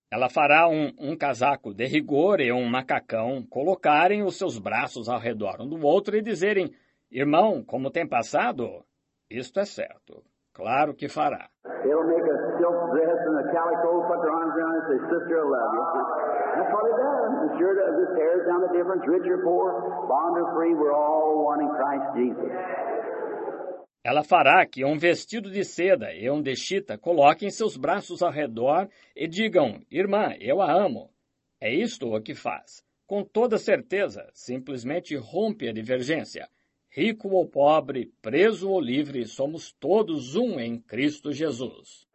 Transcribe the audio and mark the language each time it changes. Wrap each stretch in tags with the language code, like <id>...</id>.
<pt>Ela fará um casaco de rigor e um macacão, colocarem os seus braços ao redor um do outro e dizerem, irmão, como tem passado? Isto é certo. Claro que fará.</pt> <en>It'll make a silk dress and a calico, put their arms around and say, sister, I love you. That's what it does. It sure does. It tears down the difference, rich or poor, bond or free, we're all one in Christ Jesus.</en> <pt>Ela fará que um vestido de seda e um de chita coloquem seus braços ao redor e digam, irmã, eu a amo. É isto o que faz. Com toda certeza, simplesmente rompe a divergência. Rico ou pobre, preso ou livre, somos todos um em Cristo Jesus.</pt>